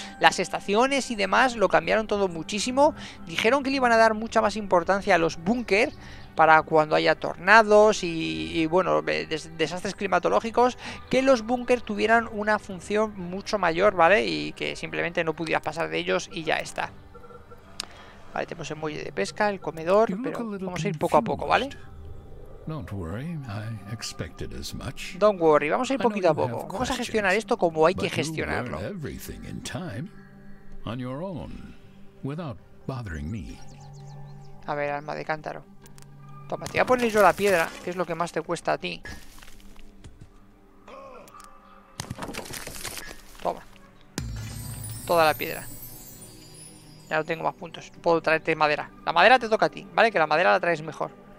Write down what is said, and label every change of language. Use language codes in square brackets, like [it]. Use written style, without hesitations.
[es] Las estaciones y demás lo cambiaron todo muchísimo. Dijeron que le iban a dar mucha más importancia a los búnker para cuando haya tornados y bueno, desastres climatológicos, que los búnker tuvieran una función mucho mayor, ¿vale? Y que simplemente no pudieras pasar de ellos y ya está. Vale, tenemos el muelle de pesca, el comedor, pero vamos a ir poco a poco, ¿vale? [en] Don't worry, I expected as much. Don't worry, [es] vamos a ir poquito a poco. Vamos a gestionar esto como hay que gestionarlo. [en] Everything in time, on your own, without bothering me. [es] A ver, alma de cántaro. Toma, te voy a poner yo la piedra, que es lo que más te cuesta a ti. Toma. Toda la piedra. Ya no tengo más puntos. Puedo traerte madera. La madera te toca a ti, ¿vale? Que la madera la traes mejor.